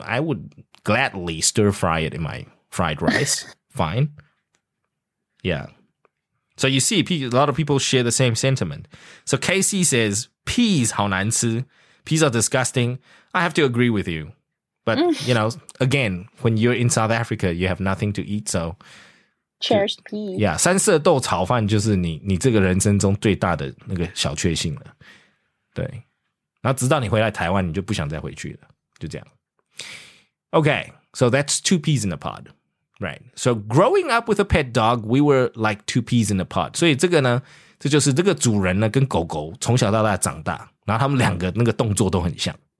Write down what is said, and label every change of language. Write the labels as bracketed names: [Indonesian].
[English] I would gladly stir fry it in my fried rice. Fine. Yeah. So you see, a lot of people share the same sentiment. So Casey says, peas [Chinese] 好难吃 [English] peas are disgusting. I have to agree with you. But, you know, again, when you're in South Africa, you have nothing to eat, so... Cherished peas. [Chinese] Yeah, 三色豆炒饭就是你这个人生中最大的那个小确幸了。对。然后直到你回来台湾，你就不想再回去了。就这样。 [English] Okay, so that's two peas in a pod. Right. So growing up with a pet dog, we were like two peas in a pod. [Chinese] 所以这个呢，这就是这个主人呢跟狗狗从小到大长大，然后他们两个那个动作都很像。